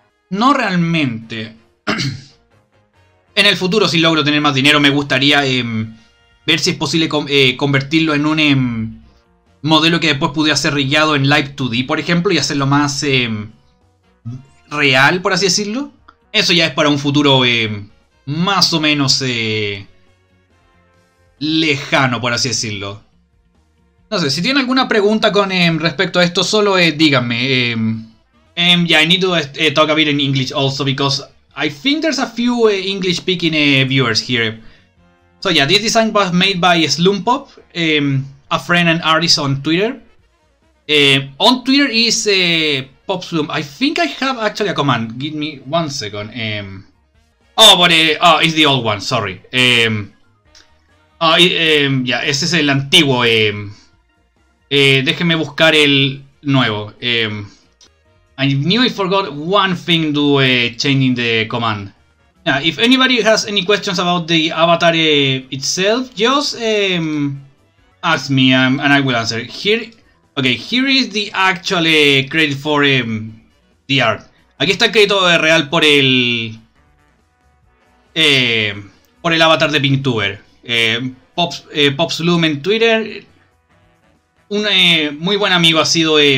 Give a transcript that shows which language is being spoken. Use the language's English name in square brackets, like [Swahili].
[Spanish] No realmente. En el futuro, si logro tener más dinero, me gustaría ver si es posible convertirlo en un modelo que después pudiera ser rigueado en Live 2D, por ejemplo, y hacerlo más real, por así decirlo. Eso ya es para un futuro más o menos lejano, por así decirlo. No sé, si tiene alguna pregunta con respecto a esto, solo díganme. [English] Yeah, I need to talk a bit in English also because I think there's a few English-speaking viewers here. So yeah, this design was made by Slumpop, a friend and artist on Twitter. On Twitter is PopSlump. I think I have actually a command. Give me one second. Oh, it's the old one. Sorry. [Spanish] Yeah, ese es el antiguo. Déjenme buscar el nuevo. [English] I knew I forgot one thing to changing the command. Yeah, if anybody has any questions about the avatar itself, just ask me and I will answer. Here is the actual credit for the art. [Spanish] Aquí está el crédito real por el avatar de Pinktuber. PopSlum en Twitter. Un muy buen amigo ha sido.